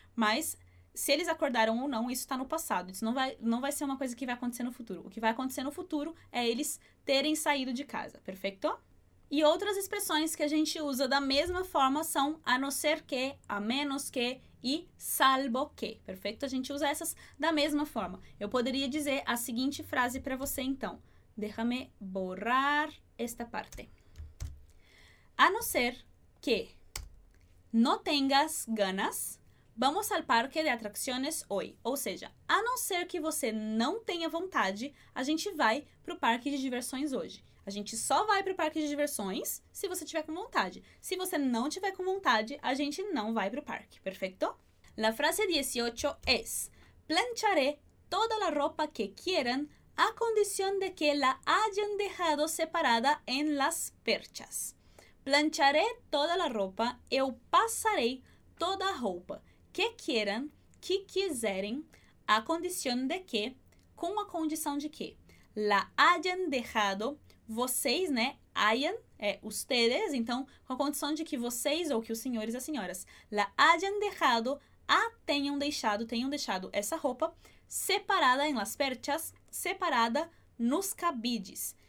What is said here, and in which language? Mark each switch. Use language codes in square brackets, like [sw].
[pt] Mas, se eles acordaram ou não, isso está no passado. Isso não vai ser uma coisa que vai acontecer no futuro. O que vai acontecer no futuro é eles terem saído de casa, perfeito? E outras expressões que a gente usa da mesma forma são a não ser que, a menos que e salvo que, perfeito? A gente usa essas da mesma forma. Eu poderia dizer a seguinte frase para você, então. [es] Déjame borrar esta parte. [pt] A não ser que [es] no tengas ganas, vamos al parque de atracciones hoy. [pt] Ou seja, a não ser que você não tenha vontade, a gente vai para o parque de diversões hoje. A gente só vai para o parque de diversões se você tiver com vontade. Se você não tiver com vontade, a gente não vai para o parque, perfeito? [es] La frase 18 es: plancharé toda la ropa que quieran a condición de que la hayan dejado separada en las perchas. Plancharé toda la ropa, [pt] eu passarei toda a roupa [es] que quieran, [pt] que quiserem, [es] a condición de que, [pt] com a condição de que, [es] la hayan dejado, [pt] vocês, né, hayan, ustedes, então, com a condição de que vocês, ou que os senhores e as senhoras, la hayan dejado, tenham deixado essa roupa, [es] separada em las perchas, [pt] separada nos cabides.